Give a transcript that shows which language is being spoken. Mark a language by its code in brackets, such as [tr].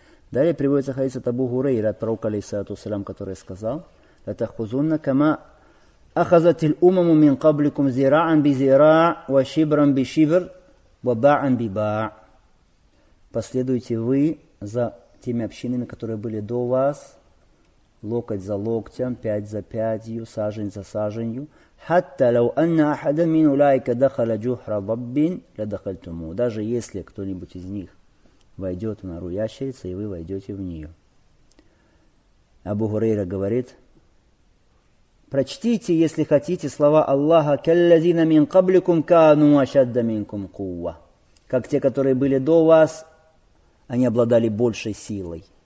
[ru] Далее приводится хадис от Абу Хурейра, от пророка, алейхиссалату вассалям, который сказал: «Это [ar] хузунна кама أخذت الأمم من قبلكم زراعا بزراع وشبرا بشبر وباعا بباع. [ru] Последуйте вы за теми общинами, которые были до вас, локоть за локтем, пять за пятью, сажень за саженью. [ar] حتى لو أن أحد من أولئك دخل جحر ضب لدخلتموه. [ru] Даже если кто-нибудь из них войдет в нору ящерицы, и вы войдете в нее. Абу Хурейра говорит: прочтите, если хотите, слова Аллаха: [ar] «Каллазина мин каблюкум кану ашадда минкум кувва». [ru] Как те, которые были до вас, они обладали большей силой.